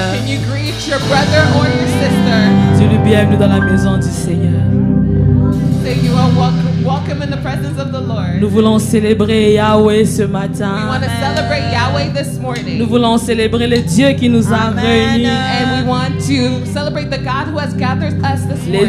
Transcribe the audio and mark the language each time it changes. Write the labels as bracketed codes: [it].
[en] Can you greet your brother or your sister? [fr] Dis-lui bienvenue dans la maison du Seigneur. [en] Say you are welcome, welcome. welcome in the presence of the Lord. [fr] Nous voulons célébrer Yahweh ce matin. [en] We want to celebrate Yahweh this morning. [fr] Nous voulons célébrer le Dieu qui nous a réunis. [en] And we want to celebrate the God who has gathered us this morning.